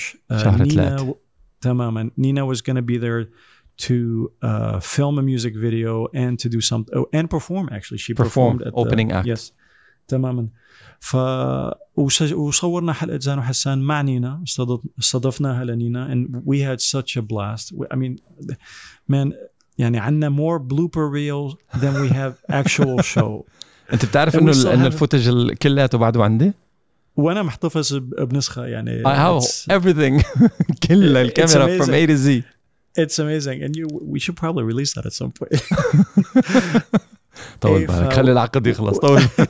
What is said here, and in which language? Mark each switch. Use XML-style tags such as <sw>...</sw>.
<ar>شهر 3 تماما.</ar> <en>Nina was going to be there to film a music video and to do something and perform actually. She performed at opening act. Yes. تماما.</en> <ar>ف وصورنا حلقة زان وحسان مع نينا استضفناها لنينا</ar> <en>and we had such a blast. I mean man</en> <ar>يعني عندنا</ar> <en>more blooper reels than we have actual show.</en> <ar>انت بتعرف انه ان الفوتج كلياته بعده عندي؟ وانا محتفظ بنسخة يعني</ar> <en>I have everything</en> <ar>كل الكاميرا</ar> <en>from A to Z. It's amazing and you we should probably release that at some point.</en> <ar>طول بالك خلي العقد يخلص طول</ar>